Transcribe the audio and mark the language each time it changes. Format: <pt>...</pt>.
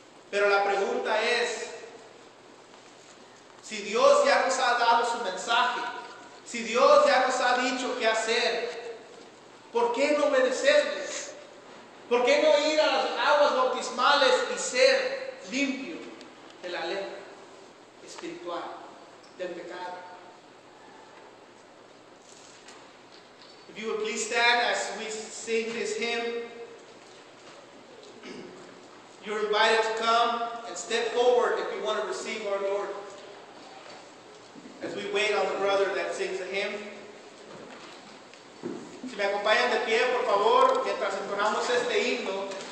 <es>Pero la pregunta es, si Dios ya nos ha dado su mensaje, si Dios ya nos ha dicho qué hacer, ¿por qué no obedecerle? ¿Por qué no ir a las aguas bautismales y ser limpio de la lepra espiritual, del pecado?</es> <en>If you would please stand as we sing this hymn, you're invited to come and step forward if you want to receive our Lord. As we wait on the brother that sings a hymn.</en> <es>Si me acompañan de pie, por favor, mientras entonamos este himno.</es>